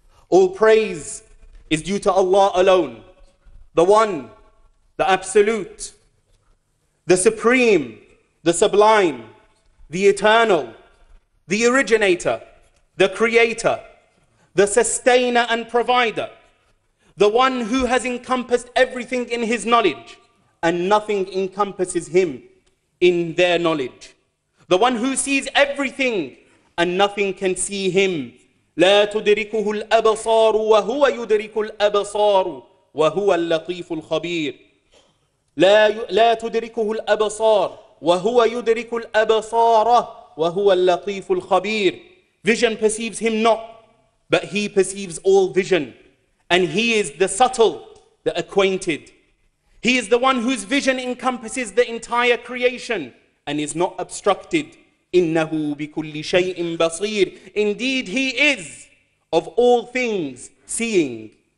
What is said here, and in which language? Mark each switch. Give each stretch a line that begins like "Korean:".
English: All praise is due to Allah alone, the One, the Absolute, the Supreme, the Sublime, the Eternal, the Originator, the Creator, the Sustainer and Provider, the One who has encompassed everything in His knowledge, and nothing encompasses Him in their knowledge. The One who sees everything and nothing can see Him.
Arabic: لا تدركه الأبصار وهو يدرك الأبصار وهو اللطيف الخبير. لا تدركه الأبصار وهو يدرك الأبصار وهو اللطيف الخبير.
English: Vision perceives Him not, but He perceives all vision. And He is the subtle, the acquainted. He is the One whose vision encompasses the entire creation and is not obstructed.
Arabic: إِنَّهُ بِكُلِّ شَيْءٍ بَصِيرٍ
English: Indeed, He is, of all things, seeing.